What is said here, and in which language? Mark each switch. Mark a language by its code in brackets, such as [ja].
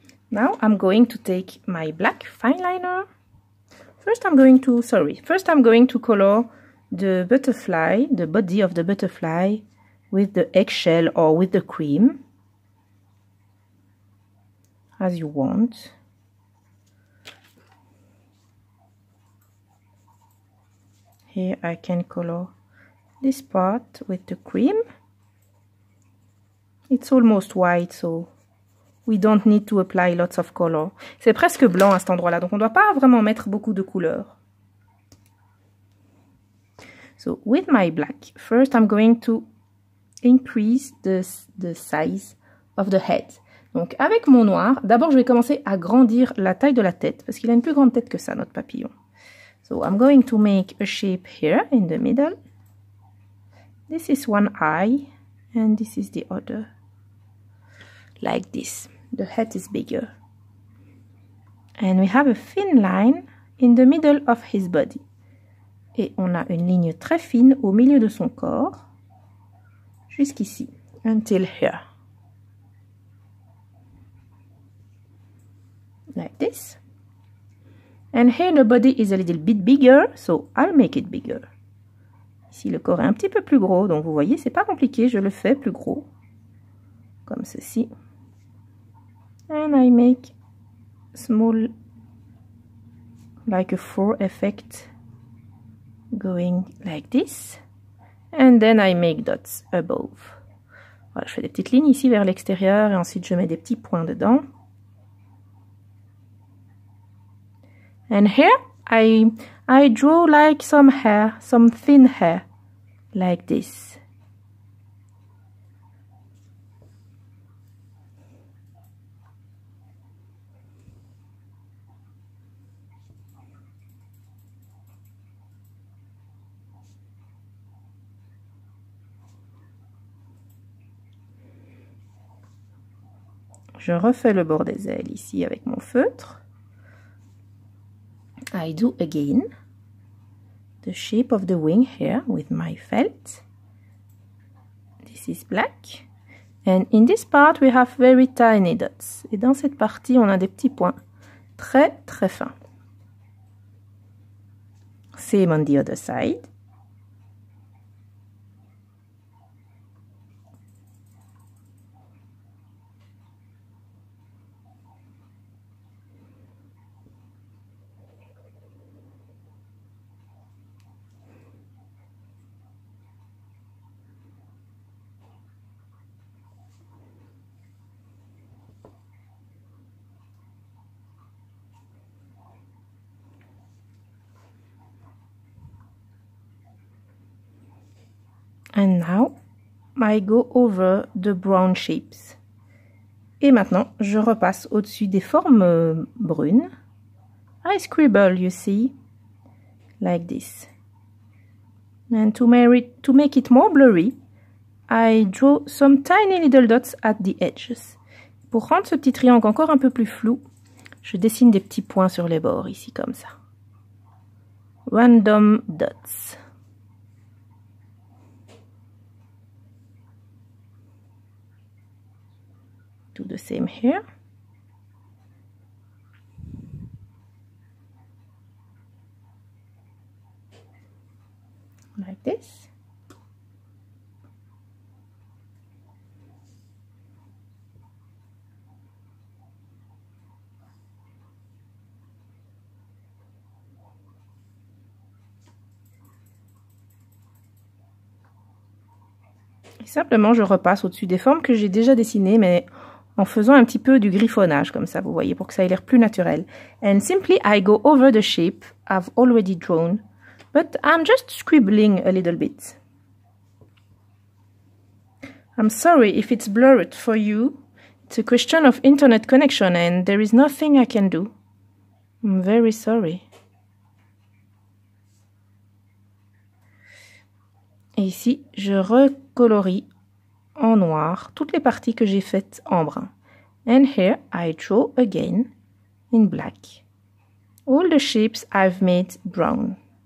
[en] Now I'm going to take my black fineliner. First I'm going to color the butterfly, the body of the butterfly, with the eggshell or with the cream, as you want. Here I can color this part with the cream. It's almost white, so we don't need to apply lots of color. [fr] C'est presque blanc à cet endroit-là, donc on ne doit pas vraiment mettre beaucoup de couleur. [en] So, with my black, first I'm going to increase the size of the head. [fr] Donc, avec mon noir, d'abord je vais commencer à grandir la taille de la tête, parce qu'il a une plus grande tête que ça, notre papillon. [en] So, I'm going to make a shape here, in the middle. This is one eye, and this is the other. Like this. The head is bigger. And we have a thin line in the middle of his body. [fr] Et on a une ligne très fine au milieu de son corps, jusqu'ici, [en] until here. Like this. And here the body is a little bit bigger, so I'll make it bigger. [fr] Ici le corps est un petit peu plus gros, donc vous voyez, c'est pas compliqué, je le fais plus gros. Comme ceci. [en] And I make small, like a fur effect, going like this. And then I make dots above. [fr] Voilà, je fais des petites lignes ici vers l'extérieur et ensuite je mets des petits points dedans. [en] And here, I draw like some hair, some thin hair, like this. [fr] Je refais le bord des ailes ici avec mon feutre. [en] I do again the shape of the wing here with my felt. This is black. And in this part, we have very tiny dots. [fr] Et dans cette partie, on a des petits points très, très fins. [en] Same on the other side. And now, I go over the brown shapes. [fr] Et maintenant, je repasse au-dessus des formes brunes. [en] I scribble, you see, like this. And to make it more blurry, I draw some tiny little dots at the edges. [fr] Pour rendre ce petit triangle encore un peu plus flou, je dessine des petits points sur les bords, ici, comme ça. [en] Random dots. Do the same here. Like this. [fr] Et simplement, je repasse au-dessus des formes que j'ai déjà dessinées, mais en faisant un petit peu du griffonnage, comme ça, vous voyez, pour que ça ait l'air plus naturel. [en] And simply, I go over the shape I've already drawn, but I'm just scribbling a little bit. I'm sorry if it's blurred for you. It's a question of internet connection and there is nothing I can do. I'm very sorry. [fr] Et ici, je recolorie en noir toutes les parties que j'ai faites en brun. [en] And here, I draw again, in black, all the shapes I've made brown.